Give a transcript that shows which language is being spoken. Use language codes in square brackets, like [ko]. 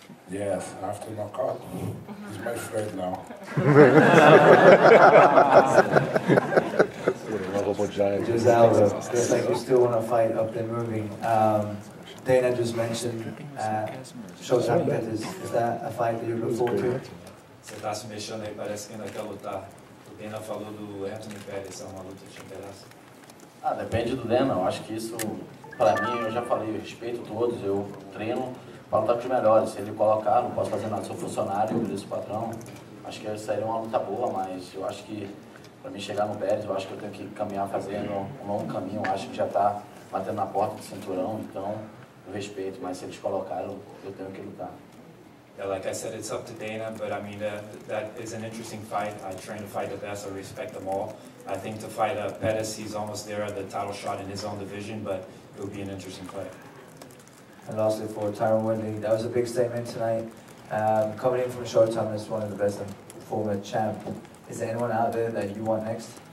[en] Yes, after my card. He's my friend now. What a lovable giant. Giselle, looks like you still want to fight up and moving. Dana just mentioned Showtime Pet. Is that a fight that you look forward to? [pt] Você está se mexendo aí, parece que ainda quer lutar. O Dana falou do Anthony Pérez, é uma luta de interesse. Ah, depende do Dana. Eu acho que isso, para mim, eu já falei, eu respeito todos, eu treino para lutar com os melhores. Se ele colocar, não posso fazer nada, sou funcionário, agradeço o patrão. Acho que seria uma luta boa, mas eu acho que para mim chegar no Pérez, eu acho que eu tenho que caminhar fazendo um longo caminho, eu acho que já está batendo na porta do cinturão, então. Respeito, mas se eles colocaram, eu tenho que lutar. [en] Yeah, like I said, it's up to Dana, but I mean, that is an interesting fight. I train to fight the best, I respect them all. I think to fight Pettis, he's almost there at the title shot in his own division, but it would be an interesting fight. And lastly, for Tyron Woodley, that was a big statement tonight. Coming in from Showtime as one of the best former champ, is there anyone out there that you want next?